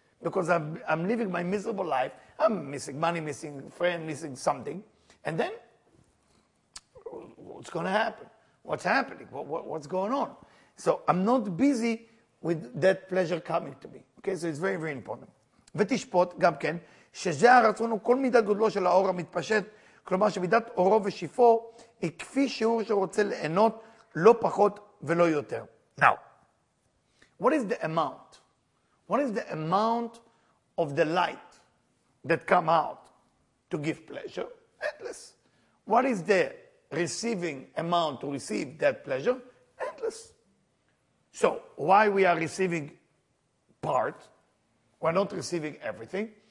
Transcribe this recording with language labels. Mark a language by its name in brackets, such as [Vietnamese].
[English] Because I'm living my miserable life. I'm missing money, missing friend, missing something. And then, what's going to happen? What's happening? What's going on? So I'm not busy with that pleasure coming to me. Okay, so it's very, very important. [Hebrew] ותשפוט גם כן, שזה הרצון הוא כל מידת גודלו של האור המתפשט, כלומר שמידת אורו ושיפו היא כפי שיעור שרוצה ליהנות לא פחות ולא יותר. [English] Now, what is the amount? What is the amount of the light that come out to give pleasure? Endless. What is the receiving amount to receive that pleasure? Endless. So, why we are receiving part? We're not receiving everything.